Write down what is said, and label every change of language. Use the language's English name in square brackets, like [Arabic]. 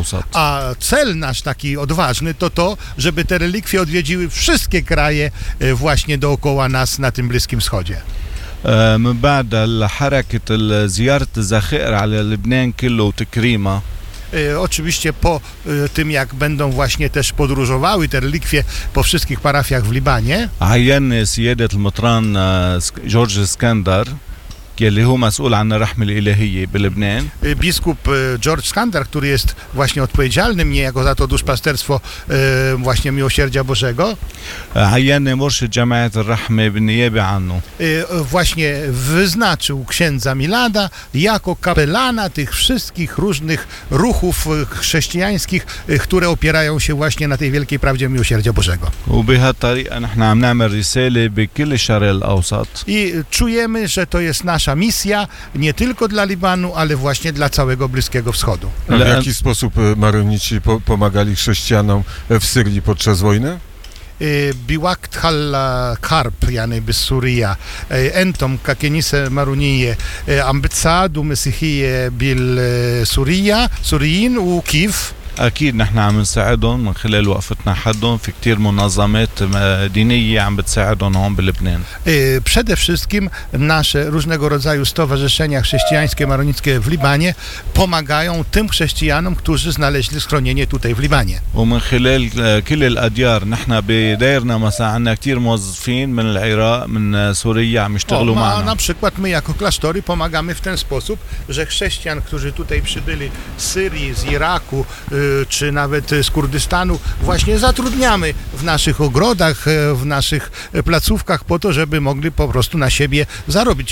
[Polish] A cel nasz taki odważny to to, żeby te relikwie odwiedziły wszystkie kraje właśnie dookoła nas na tym Bliskim Wschodzie. [Arabic] من بعد الحركة زيارة الذخائر على لبنان كله وتكريمه. [Polish] Oczywiście po tym, jak będą właśnie też podróżowały te relikwie po wszystkich parafiach w Libanie. [Arabic] عين سيادة المطران جورج اسكندر اللي هو مسؤول عن الرحمة الإلهية بلبنان. [Polish] Biskup George Skandar, który jest właśnie odpowiedzialny niejako za to duszpasterstwo właśnie Miłosierdzia Bożego. [Arabic] عيني مرشد جماعة الرحمة بالنيابة عنه. [Polish] Właśnie wyznaczył księdza Milada jako kapelana tych wszystkich różnych ruchów chrześcijańskich, które opierają się właśnie na tej wielkiej prawdzie Miłosierdzia Bożego. [Arabic] وبها الطريقة نحن عم نعمل رسالة بكل الشرق الأوسط. [Polish] I czujemy, że to jest nasza misja nie tylko dla Libanu, ale właśnie dla całego Bliskiego Wschodu. W jaki sposób maronici pomagali chrześcijanom w Syrii podczas wojny? [Arabic] بوقت خل كارب يعني بالسورية أنتم ككنيسة مارونية عم بتساعدوا مسيحية بالسورية سوريين وكيف؟ أكيد نحن عم نساعدهم من خلال وقفتنا حدهم في كتير منظمات دينية عم بتساعدهم هون بلبنان. [Polish] Przede wszystkim nasze różnego rodzaju stowarzyszenia chrześcijańskie maronickie w Libanie pomagają tym chrześcijanom, którzy znaleźli schronienie tutaj w Libanie. [Arabic] ومن خلال كل الأديار نحن بدائرنا مثلا عندنا كتير موظفين من العراق من سوريا عم يشتغلوا معنا. [Polish] Na przykład my jako klasztory pomagamy w ten sposób, że chrześcijan, którzy tutaj przybyli z Syrii, z Iraku czy nawet z Kurdystanu, właśnie zatrudniamy w naszych ogrodach, w naszych placówkach po to, żeby mogli po prostu na siebie zarobić.